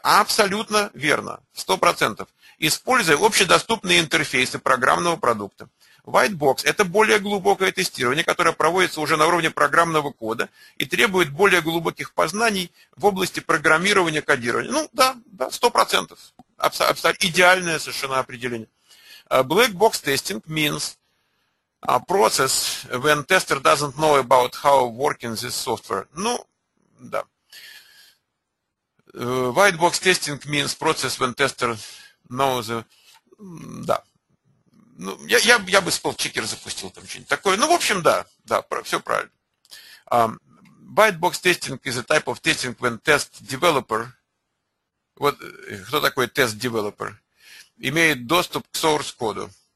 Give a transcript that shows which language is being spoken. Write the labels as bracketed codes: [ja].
[ru] Абсолютно верно, 100%. Используя общедоступные интерфейсы программного продукта. White box – это более глубокое тестирование, которое проводится уже на уровне программного кода и требует более глубоких познаний в области программирования, кодирования. Ну, да, да, 100%. Идеальное совершенно определение. [en] Black box testing means a process when tester doesn't know about how working this software. [ru] Ну, да. [en] White box testing means process when tester knows... [ru] Да. Ну, я бы спеллчекер запустил там что-нибудь такое. Ну, в общем, да, да, все правильно. [en] White box testing is a type of testing when test developer... [ru] Вот кто такой test developer? Имеет доступ к source-коду.